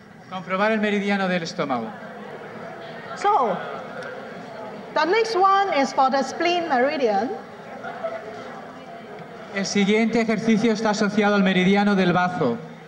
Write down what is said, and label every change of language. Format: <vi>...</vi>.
<es>Comprobar el meridiano del estómago.</es> <en>So, the next one is for the spleen meridian.</en> <es>El siguiente ejercicio está asociado al meridiano del bazo.</es>